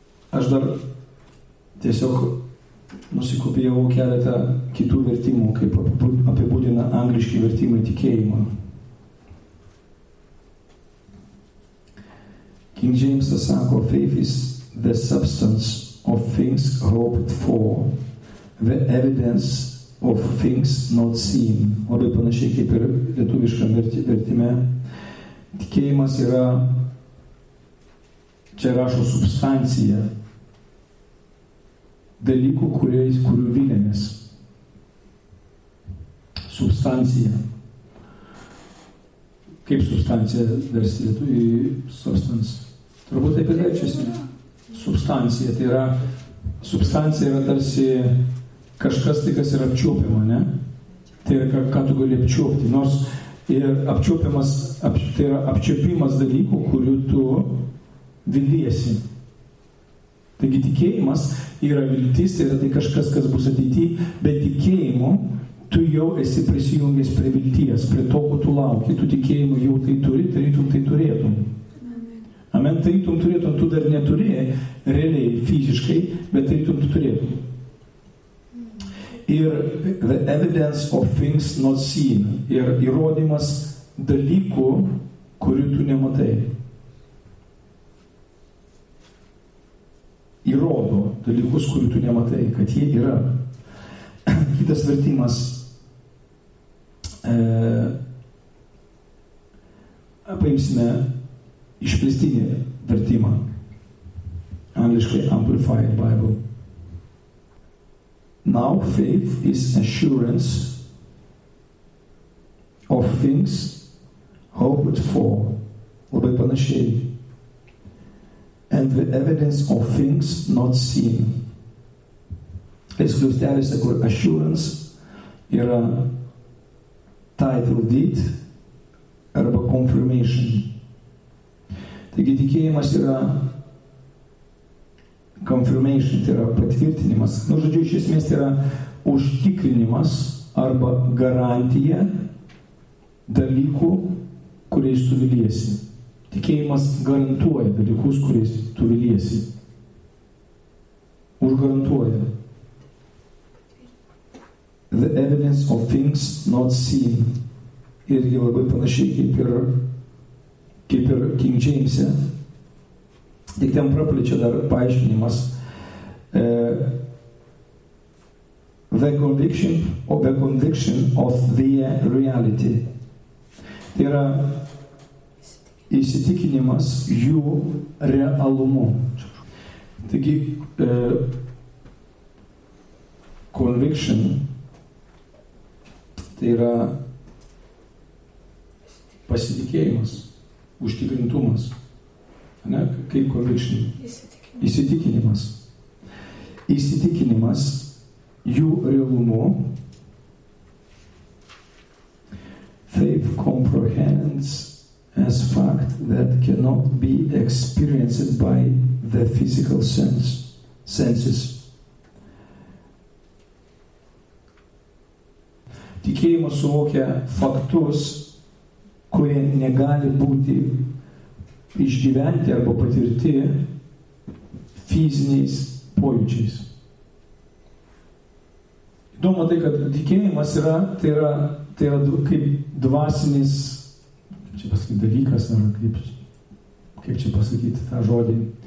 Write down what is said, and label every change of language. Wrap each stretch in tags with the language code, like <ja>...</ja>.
<lt>Aš dar tiesiog nusikopijavau keletą kitų vertimų, kaip apibūdina angliški vertimai tikėjimą.</lt> <en>King James sako, faith is the substance of things hoped for, the evidence of things not seen.</en> <lt>Labai panašiai kaip ir lietuviškam vertime. Tikėjimas yra, čia rašo, substancija dalykų, kurių vilėmės. Substancija. kaip substancija versėtų į substance. Turbūt taip ir reičiasi. Substancija, tai yra substancija yra tarsi kažkas tai, kas yra apčiuopiama, ne? Tai yra, ką tu gali apčiuopti. Nors ir apčiuopiamas, tai yra apčiuopimas dalykų, kurių tu viliesi. Taigi tikėjimas yra viltis, tai yra tai kažkas, kas bus ateity, bet tikėjimu tu jau esi prisijungęs prie vilties, prie to, ko tu lauki. Tu tikėjimu jau tai turi, tarytum tai turėtum. Amen. Tarytum turėtum, tu dar neturi realiai, fiziškai, bet tarytum tu turėtum.</lt> <en>Ir the evidence of things not seen.</en> <lt>Ir įrodymas dalykų, kurių tu nematai. Įrodo dalykus, kurių tu nematai, kad jie yra. Kitas vertimas. Paimsime išplėstinį vertimą. Angliškai Amplified Bible.</lt> <en>Now faith is assurance of things hoped for.</en> <lt>Labai panašiai.</lt> <en>And the evidence of things not seen.</en> <lt>Eskliustelėse, kur assurance yra title deed arba confirmation. Taigi tikėjimas yra confirmation, tai yra patvirtinimas. Nu, žodžiu, iš esmės tai yra užtikrinimas arba garantija dalykų, kuriais tu viliesi. Tikėjimas garantuoja dalykus, kuriais tu viliesi. Užgarantuoja.</lt> <en>The evidence of things not seen.</en> <lt>Irgi labai panašiai kaip ir King James'e. Tik ten praplečia dar paaiškinimas.</lt> <en>The conviction of the reality.</en> <lt>Tai yra įsitikinimas jų realumu. Taigi, conviction, tai yra pasitikėjimas, užtikrintumas. Ne, kaip conviction? Įsitikinimas. Įsitikinimas jų realumu.</lt> <en>Faith comprehends as fact that cannot be experienced by the physical senses.</en> <lt>Tikėjimas suvokia faktus, kurie negali būti išgyventi arba patirti fiziniais pojūčiais. Įdomu tai, kad tikėjimas yra, tai yra kaip dvasinis, kaip čia pasakyti, dalykas, ar kaip čia pasakyti tą žodį.</lt>